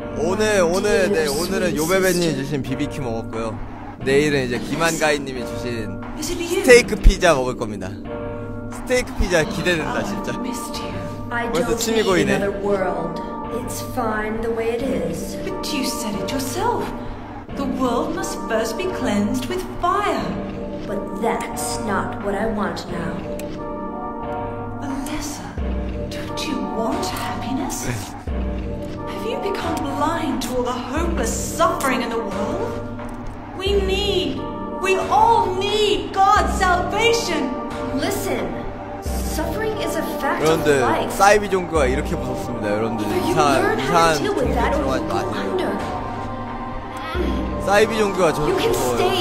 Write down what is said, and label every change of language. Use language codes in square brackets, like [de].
[ko] 오늘 네, 오늘은 요베베님이 주신 BBQ 먹었고요. 내일은 이제 김한가이님이 주신 스테이크 피자 먹을 겁니다. 스테이크 피자 기대된다 진짜. 벌써 침이 고이네. [en] It's fine the way it is. But you said it yourself. The world must first be cleansed with fire. But that's not what I want now. Alessa, don't you want happiness? Have you become blind to all the hopeless suffering in the world? We all need God's salvation. Listen. Suffering is a fact of life. [ko] 여러분들, 사이비 종교가 이렇게 무섭습니다. 여러분들 이상한 종교 들어가지 마세요. 사이비 종교가 저렇게 무서워요.